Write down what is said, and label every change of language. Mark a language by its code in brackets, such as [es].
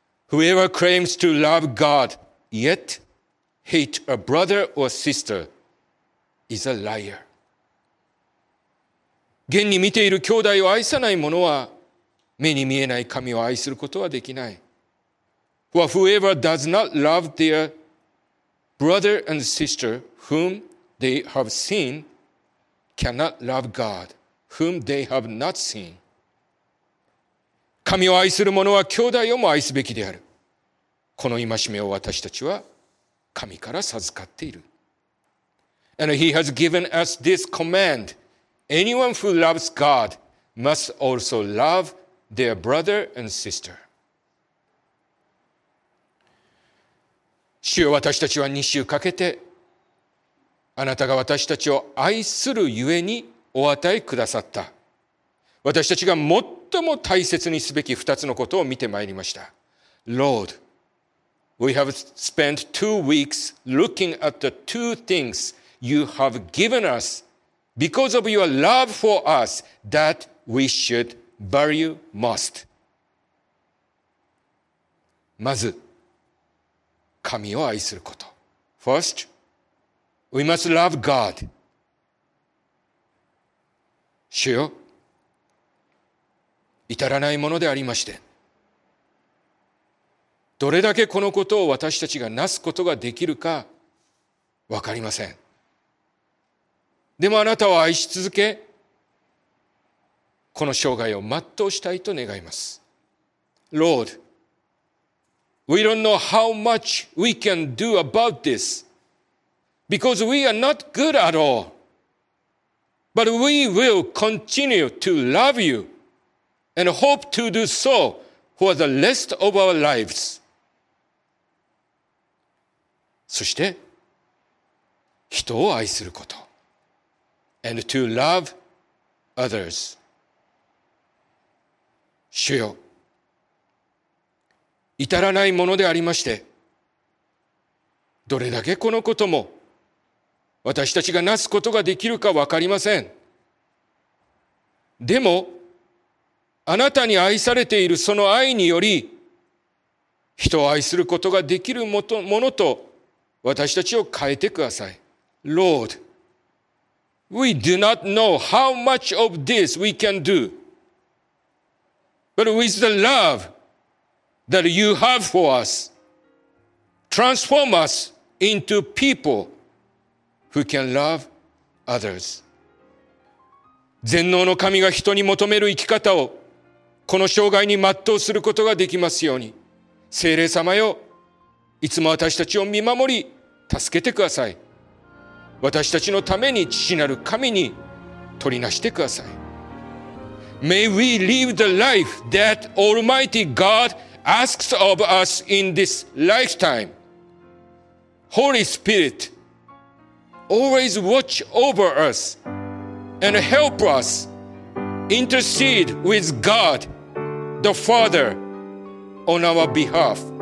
[en] Whoever claims to love God yet hate a brother or sister is a liar。 [ja] 現に見ている兄弟を愛さない者は、目に見えない神を愛することはできない。 [en] Whoever does not love their brother and sister whom they have seenCannot love God whom they have not seen。 [ja] 神を愛する者は兄弟をも愛すべきである。この戒めを私たちは神から授かっている。 [en] And he has given us this command: anyone who loves God must also love their brother and sister。 [ja] 主よ、私たちは2週かけてあなたが私たちを愛するゆえにお与えくださった、私たちが最も大切にすべき二つのことを見てまいりました。 [en] Lord, we have spent 2 weeks looking at the 2 things you have given us because of your love for us that we should value most。 [ja] まず神を愛すること。 [en] FirstWe must love God。 [ja] 主よ、至らないものでありまして、どれだけこのことを私たちがなすことができるか分かりません。でもあなたを愛し続け、この生涯を全うしたいと願います。 [en] Lord, we don't know how much we can do about thisBecause we are not good at all. But we will continue to love you and hope to do so for the rest of our lives. [ja] そして人を愛すること。 [en] And to love others. [ja] 主よ、至らないものでありまして、どれだけこのことも私たちがなすことができるか分かりません。でも、あなたに愛されているその愛により、人を愛することができるものと私たちを変えてください。 [en] Lord, we do not know how much of this we can do, but with the love that you have for us, transform us into people who can love others. [ja] 全能の神が人に求める生き方をこの生涯に全うすることができますように、聖霊様よ、いつも私たちを見守り助けてください。私たちのために父なる神に取りなしてください。 [en] May we live the life that Almighty God asks of us in this lifetime. Holy Spirit, always watch over us and help us intercede with God the Father on our behalf.